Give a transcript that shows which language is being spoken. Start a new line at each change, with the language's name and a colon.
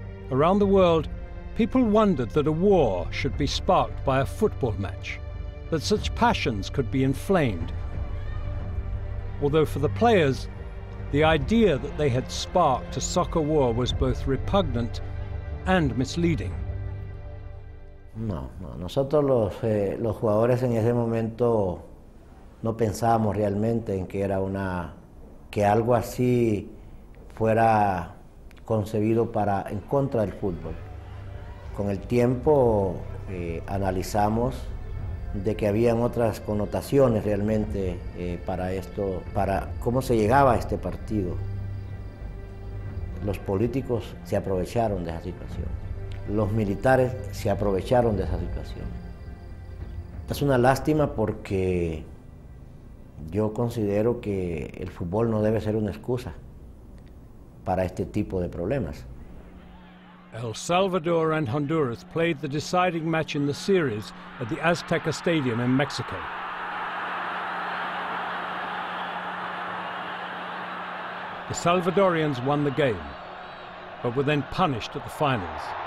English: Around the world, people wondered that a war should be sparked by a football match, that such passions could be inflamed. Although for the players, the idea that they had sparked a soccer war was both repugnant and misleading.
Spanish: No, no. Nosotros los jugadores en ese momento no pensábamos realmente en que era una que algo así fuera concebido para en contra del fútbol. Con el tiempo analizamos de que habían otras connotaciones realmente para esto, para cómo se llegaba a este partido. Los políticos se aprovecharon de esa situación. Los militares se aprovecharon de esa situación. Es una lástima porque yo considero que el fútbol no debe ser una excusa para este tipo de problemas.
English: El Salvador and Honduras played the deciding match in the series at the Azteca Stadium in Mexico. The Salvadorians won the game, but were then punished at the finals.